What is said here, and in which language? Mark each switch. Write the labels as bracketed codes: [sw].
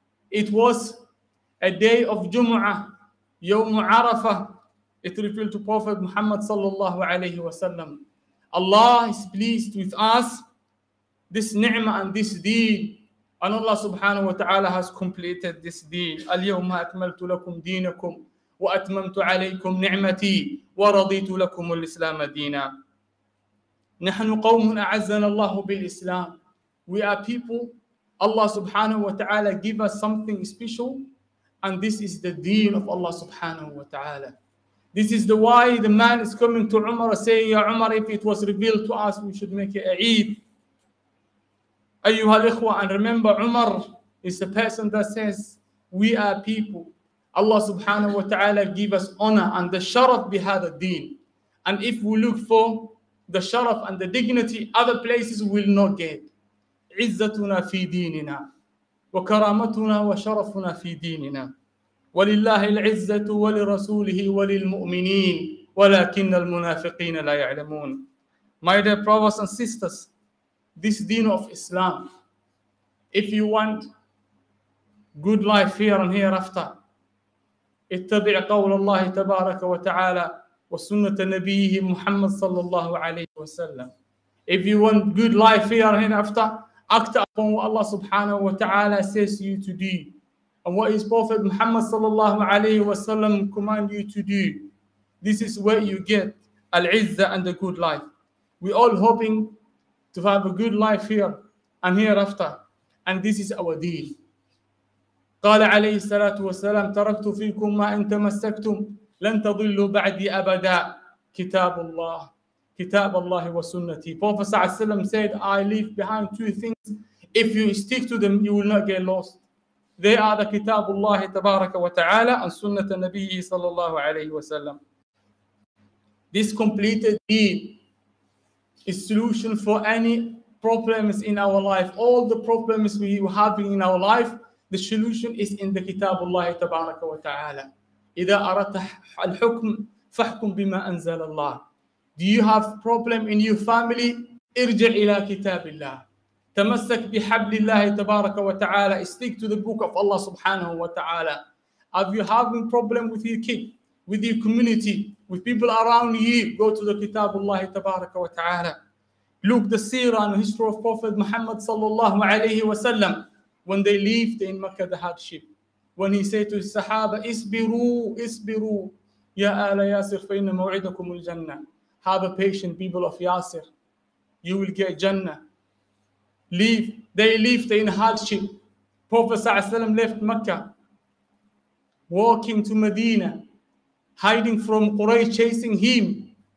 [en] It was a day of Jumu'ah, Yawm Arafah. It revealed to Prophet Muhammad sallallahu alayhi wa sallam. Allah is pleased with us, this ni'mah and this deen. And Allah subhanahu wa ta'ala has completed this deen. [ar] Al-Yawma akmaltu lakum deenakum. وأتممت عليكم نعمتي ورضيت لكم الإسلام دينا. نحن قوم أعزنا الله بالإسلام. [en] We are people. Allah subhanahu wa ta'ala give us something special. And this is the deen of Allah subhanahu wa ta'ala. This is the why the man is coming to Umar and saying, Ya Umar, if it was revealed to us, we should make it a Eid. [ar] Ayyuha al-ikhwa, [en] and remember, Umar is the person that says, we are people. Allah subhanahu wa ta'ala give us honor and the [ar] sharaf bihada [en] deen. And if we look for the sharaf and the dignity, other places will not get. [ar] عزتنا في ديننا وكرامتنا وشرفنا في ديننا ولله العزة ولرسوله وللمؤمنين ولكن المنافقين لا يعلمون. [en] My dear brothers and sisters, this deen of Islam, if you want good life here and hereafter, [ar] اتبع قول الله تبارك وتعالى وسنة نبيه محمد صلى الله عليه وسلم. [en] If you want good life here and hereafter, act upon what Allah subhanahu wa ta'ala says you to do. And what is Prophet Muhammad sallallahu alayhi wa sallam command you to do. This is where you get al-izzah and the good life. We all hoping to have a good life here and hereafter. And this is our deen. [ar] قال عليه الصلاة والسلام تركت فيكم ما إن تمسكتم لن تضلوا بعدي أبدا كتاب الله. Kitab Allah wa sunnati. [en] Prophet said, I leave behind two things. If you stick to them, you will not get lost. They are the Kitab Allah tabaraka wa ta'ala and [ar] sunnata nabiyyi [en] sallallahu alayhi wa sallam. This completed deed is solution for any problems in our life. All the problems we have in our life, the solution is in the Kitab Allah tabaraka wa ta'ala. [ar] Idha arata al-hukm, fahkum bima anzal Allah. [en] Do you have problem in your family? [ar] ارجع إلى كتاب الله. تمسك بحبل الله تبارك وتعالى. [en] Stick to the book of Allah subhanahu wa ta'ala. Have you having problem with your kid, with your community, with people around you? Go to the [ar] كتاب الله تبارك وتعالى. [en] Look the seerah and history of Prophet Muhammad sallallahu alayhi wa sallam. When they lived in Mecca, the hardship. When he said to his sahaba, [ar] اسبروا, اسبروا. يا آل ياسر فإن موعدكم الجنة. [en] Have a patient, people of Yasir. You will get Jannah. Leave. They lived in hardship. Prophet ﷺ left Mecca, walking to Medina, hiding from Quraysh chasing him.